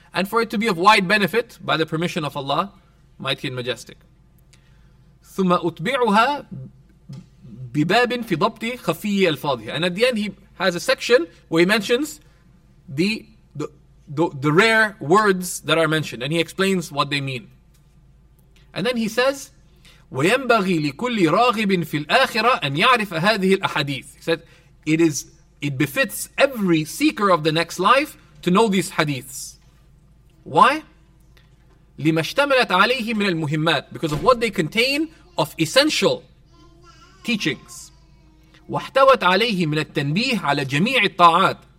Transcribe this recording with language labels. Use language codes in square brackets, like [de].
[en] And for it to be of wide benefit, by the permission of Allah, Mighty and Majestic. [ar] ثُمَّ أُتْبِعُهَا بِبَابٍ فِي ضَبْطِ خَفِيِّ الْفَاضِهِ. [en] And at the end he has a section where he mentions the rare words that are mentioned, and he explains what they mean. And then he says, [ar] وَيَنْبَغِي لِكُلِّ رَاغِبٍ فِي الْآخِرَةِ أَنْ يَعْرِفَ هَذِهِ الْأَحَدِيثِ. [en] He said, it befits every seeker of the next life to know these hadiths. Why? [ar] لِمَا اشْتَمَلَتْ عَلَيْهِ مِنَ الْمُهِمَّاتِ. [en] Because of what they contain of essential teachings. [ar] وَاحْتَوَتْ عَلَيْهِ مِنَ التَّنْبِيهِ عَلَى جَمِيعِ الطَّاعَاتِ.